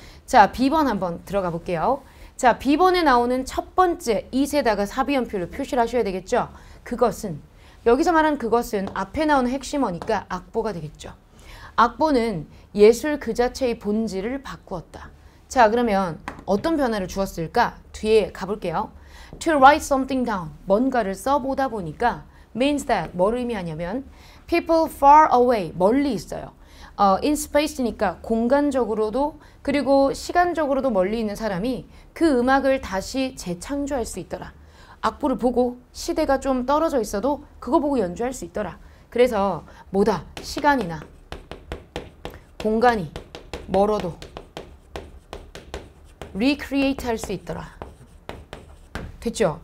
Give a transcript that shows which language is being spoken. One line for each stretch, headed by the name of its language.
Korean: 자, B번 한번 들어가 볼게요. 자, B번에 나오는 첫 번째 이세다가 사비연필로 표시를 하셔야 되겠죠? 그것은 여기서 말한 그것은 앞에 나오는 핵심어니까 악보가 되겠죠. 악보는 예술 그 자체의 본질을 바꾸었다. 자, 그러면 어떤 변화를 주었을까? 뒤에 가볼게요.
English: To write something down,
Korean: 뭔가를 써보다 보니까
English: means that,
Korean: 뭘 의미하냐면
English: people far away,
Korean: 멀리 있어요.
English: In space
Korean: 니까 공간적으로도 그리고 시간적으로도 멀리 있는 사람이 그 음악을 다시 재창조할 수 있더라. 악보를 보고 시대가 좀 떨어져 있어도 그거 보고 연주할 수 있더라. 그래서 뭐다? 시간이나 공간이 멀어도 recreate 할 수 있더라. 됐죠?